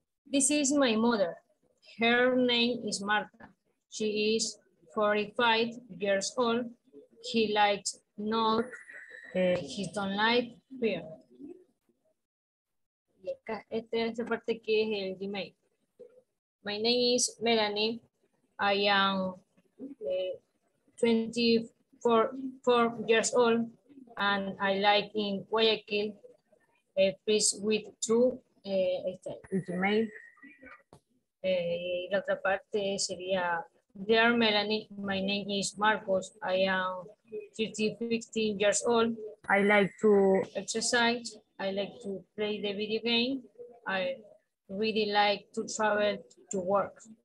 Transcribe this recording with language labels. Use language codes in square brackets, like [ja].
[en] This is my mother. Her name is Marta. She is 45 years old. He likes nut. He don't like beer. [es] Y acá, esta es la parte que es el Gmail. [en] My name is Melanie. I am 24 years old and I like in Guayaquil. Please with two. Este, Gmail. [es] Y la otra parte sería, [en] dear Melanie, my name is Marcos. I am 15 years old. I like to exercise. I like to play the video game. I really like to travel to work.